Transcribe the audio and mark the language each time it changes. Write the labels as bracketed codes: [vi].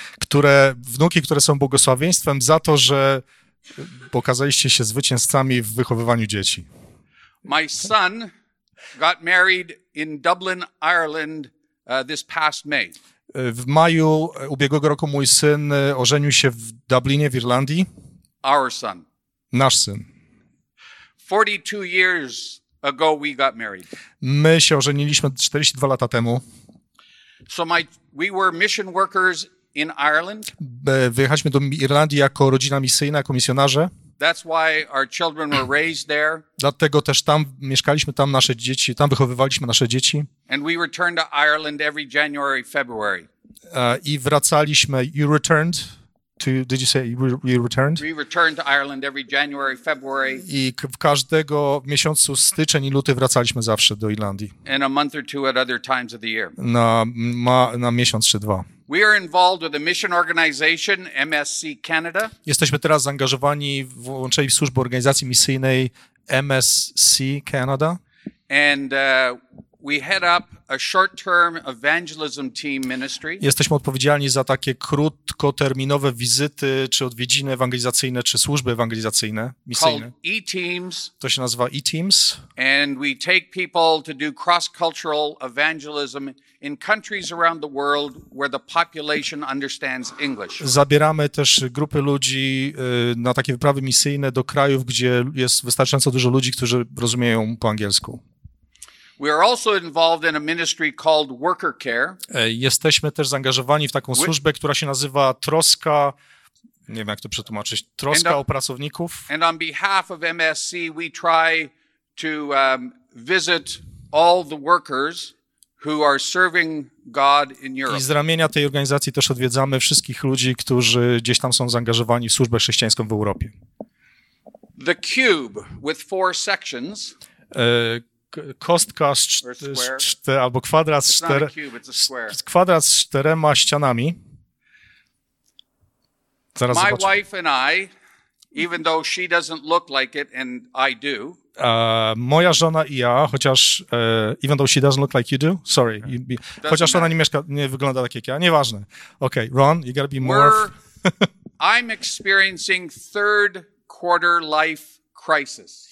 [pl] Które wnuki, które są błogosławieństwem za to, że pokazaliście się zwycięzcami w wychowywaniu dzieci. [en] My son got married in Dublin, Ireland this past May. [pl] W maju ubiegłego roku mój syn ożenił się w Dublinie, w Irlandii. [en] Our son. [pl] Nasz syn. [en] 42 years ago we got married. [pl] My się ożeniliśmy 42 lata temu. [en] So we were mission workers in Ireland. [pl] Wyjechaliśmy do Irlandii jako rodzina misyjna, jako misjonarze. [en] That's why our children were raised there. [pl] Dlatego też tam mieszkaliśmy, tam nasze dzieci, tam wychowywaliśmy nasze dzieci. [en] And we returned to Ireland every January, February. [pl] I wracaliśmy. [en] You returned to? Did you say you returned? We returned to Ireland every January, February. [pl] I w każdego miesiącu styczeń i luty wracaliśmy zawsze do Irlandii. [en] And a month or two at other times of the year. [pl] Na miesiąc czy dwa. [en] We are involved with a mission organization, MSC Canada. [pl] Jesteśmy teraz zaangażowani, włączeni w służbę organizacji misyjnej MSC Canada. [en] And we head up a short-term evangelism team ministry. [pl] Jesteśmy odpowiedzialni za takie krótkoterminowe wizyty, czy odwiedziny ewangelizacyjne, czy służby ewangelizacyjne, misyjne. [en] Called E-Teams. [pl] To się nazywa E-Teams. [en] And we take people to do cross-cultural evangelism in countries around the world where the population understands English. [pl] Zabieramy też grupy ludzi na takie wyprawy misyjne do krajów, gdzie jest wystarczająco dużo ludzi, którzy rozumieją po angielsku. [en] We are also involved in a ministry called Worker Care. [pl] Jesteśmy też zaangażowani w taką służbę, która się nazywa Troska, nie wiem jak to przetłumaczyć, Troska o pracowników. [en] And on behalf of MSC we try to visit all the workers who are serving God in Europe. [pl] I z ramienia tej organizacji też odwiedzamy wszystkich ludzi, którzy gdzieś tam są zaangażowani w służbę chrześcijańską w Europie. [en] The cube with four sections. [pl] Kostka albo kwadrat kwadrat z czterema ścianami. Zaraz [en] my wife and I, even though she doesn't look like it and I do. [pl] Moja żona i ja, chociaż [en] even though she doesn't look like you do, sorry, okay. You be, [pl] chociaż ona nie wygląda tak jak ja, nieważne. [en] Okay, Ron, you gotta be more. I'm experiencing third quarter life crisis.